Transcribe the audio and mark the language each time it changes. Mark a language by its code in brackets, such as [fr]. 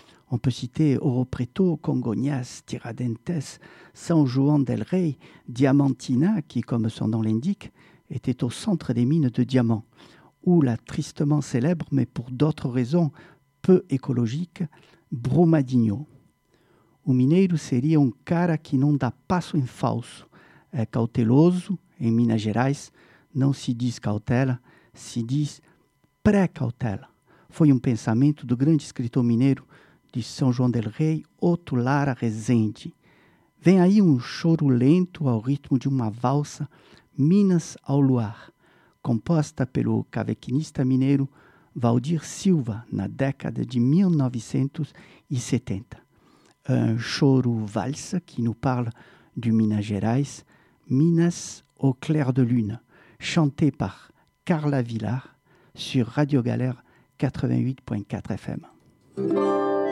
[fr] On peut citer Ouro Preto, Congonhas, Tiradentes, São João del Rei, Diamantina, qui, comme son nom l'indique, était au centre des mines de diamants, où la tristement célèbre, mais pour d'autres raisons peu écologiques, Brumadinho. [pt] O mineiro seria cara que não dá passo em falso, é cauteloso, em Minas Gerais, não se diz cautela, se diz pré-cautela. Foi pensamento do grande escritor mineiro de São João del Rei, Otto Lara Rezende. Vem aí choro lento ao ritmo de uma valsa, Minas ao Luar, composta pelo cavaquinista mineiro Valdir Silva, na década de 1970. [fr] Choro valsa que nos parle de Minas Gerais, Minas au clair de lune, chanté par Carla Villar sur Radio Galère 88.4 FM.